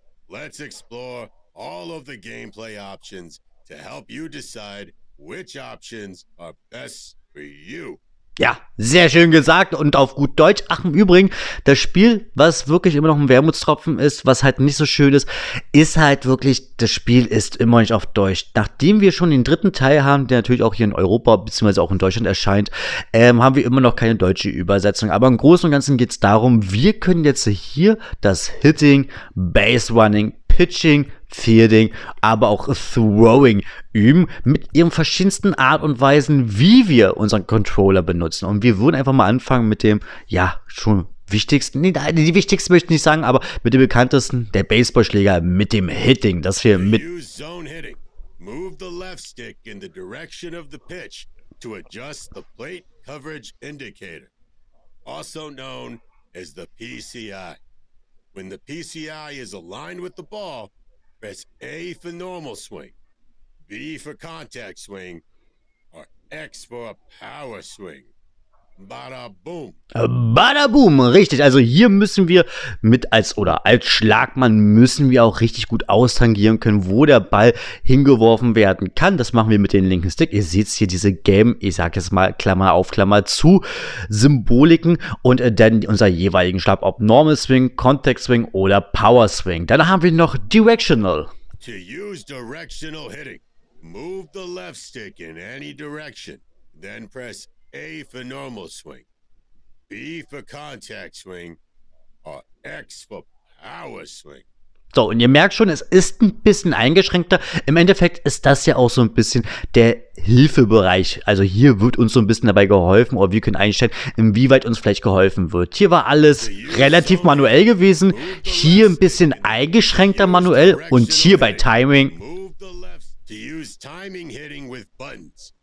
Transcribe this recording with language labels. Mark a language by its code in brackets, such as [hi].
[en] Let's explore all of the gameplay options to help you decide which options are best for you. [de] Ja, sehr schön gesagt und auf gut Deutsch. Ach, im Übrigen, das Spiel, was wirklich immer noch ein Wermutstropfen ist, was halt nicht so schön ist, ist halt wirklich, das Spiel ist immer nicht auf Deutsch. Nachdem wir schon den dritten Teil haben, der natürlich auch hier in Europa bzw. auch in Deutschland erscheint, haben wir immer noch keine deutsche Übersetzung. Aber im Großen und Ganzen geht es darum, wir können jetzt hier das Hitting, Base Running, Pitching, Fielding, aber auch Throwing üben mit ihren verschiedensten Art und Weisen, wie wir unseren Controller benutzen. Und wir würden einfach mal anfangen mit dem, ja, schon wichtigsten, nee, die wichtigsten möchte ich nicht sagen, aber mit dem bekanntesten, der Baseballschläger mit dem Hitting, das wir mit. [en] Use zone hitting. Move the left stick in the direction of the pitch to adjust the plate coverage indicator, also known as the PCI. When the PCI is aligned with the ball, press A for normal swing, B for contact swing, or X for a power swing. Bada boom. [de] Bada boom, richtig. Also hier müssen wir mit als Schlagmann müssen wir auch richtig gut austangieren können, wo der Ball hingeworfen werden kann. Das machen wir mit dem linken Stick. Ihr seht hier diese Game, ich sag jetzt mal Klammer auf Klammer zu Symboliken und dann unser jeweiligen Schlag, ob Normal Swing, Contact Swing oder Power Swing. Dann haben wir noch Directional. [en] To use directional hitting, move the left stick in any direction, then press A for normal swing, B for contact swing, or X for power swing. [de] So, und ihr merkt schon, es ist ein bisschen eingeschränkter. Im Endeffekt ist das ja auch so ein bisschen der Hilfebereich. Also hier wird uns so ein bisschen dabei geholfen, oder wir können einstellen, inwieweit uns vielleicht geholfen wird. Hier war alles relativ manuell gewesen, hier ein bisschen eingeschränkter manuell und hier bei Timing. [en] Move the left to use timing hitting with buttons.